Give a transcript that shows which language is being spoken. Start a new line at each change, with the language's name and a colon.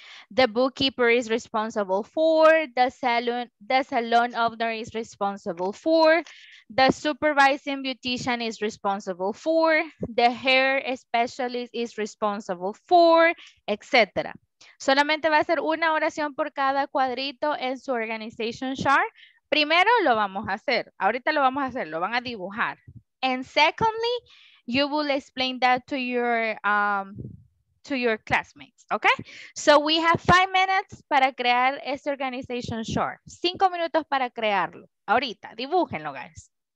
English: The bookkeeper is responsible for, the salon owner is responsible for, the supervising beautician is responsible for, the hair specialist is responsible for, etc.
Spanish: Solamente va a ser una oración por cada cuadrito en su organization chart. Primero lo vamos a hacer, ahorita lo vamos a hacer, lo van a dibujar.
English: And secondly, you will explain that to your to your classmates, okay? So we have 5 minutes
Spanish: para crear este
English: organization chart.
Spanish: 5 minutos para crearlo. Ahorita, dibújenlo, guys.